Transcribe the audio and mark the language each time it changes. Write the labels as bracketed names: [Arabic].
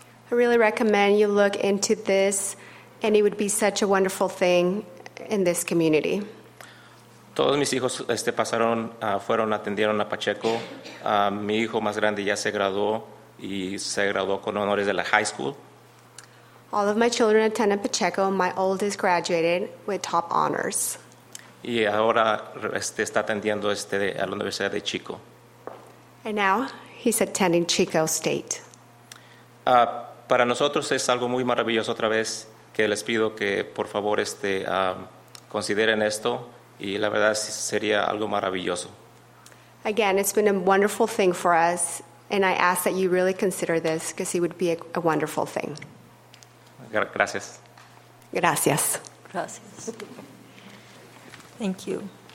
[English] I really recommend you look into this, and it would be such a wonderful thing in this community. [Spanish] Todos mis hijos pasaron, fueron, atendieron a Pacheco. Mi hijo más grande ya se graduó y se graduó con honores de la high school. [English] All of my children attended Pacheco. My oldest graduated with top honors. [Spanish] Y ahora está atendiendo a la Universidad de Chico. [English] And now he's attending Chico State. [Spanish] Para nosotros es algo muy maravilloso otra vez, que les pido que por favor consideren esto. Y la verdad sería algo maravilloso. [English] Again, it's been a wonderful thing for us, and I ask that you really consider this because it would be a wonderful thing. [Spanish] Gracias. Gracias. Gracias. [English] Thank you.